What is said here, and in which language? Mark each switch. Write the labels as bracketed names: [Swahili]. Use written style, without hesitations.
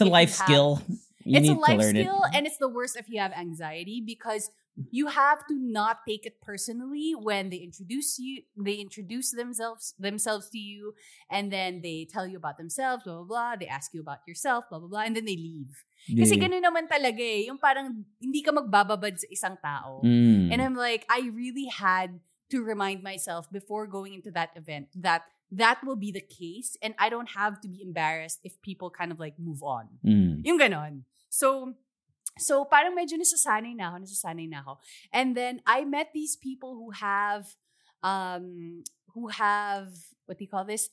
[English] It's a life skill. And it's the worst if you have anxiety, because you have to not take it personally when they introduce you, they introduce themselves to you, and then they tell you about themselves, blah, blah, blah. They ask you about yourself, blah, blah, blah, and then they leave. [Filipino] Kasi ganun naman talaga eh, yung parang hindi ka magbababad sa isang tao. [English] And I'm like, I really had to remind myself before going into that event that that will be the case and I don't have to be embarrassed if people kind of like move on. [Filipino] Yung ganun. So parang medyo nasasanay na ako. [English] And then I met these people who have what do you call this?